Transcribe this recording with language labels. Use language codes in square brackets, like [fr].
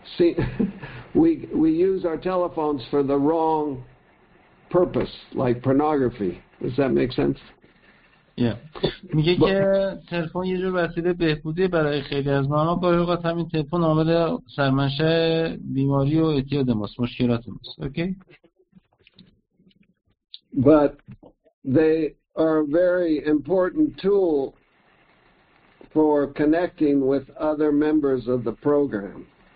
[en] See, we use our telephones for the wrong purpose, like pornography. Does that make sense? Yeah. [fa] میگه که تلفن یه جور وسیله بهبودی برای خیلی از ماها، گاهی اوقات همین تلفن عامل سرمنشأ بیماری و اعتیاد ماست، مشکلات ماست. اوکی؟ [en] But they are a very important tool for connecting with other members of the program.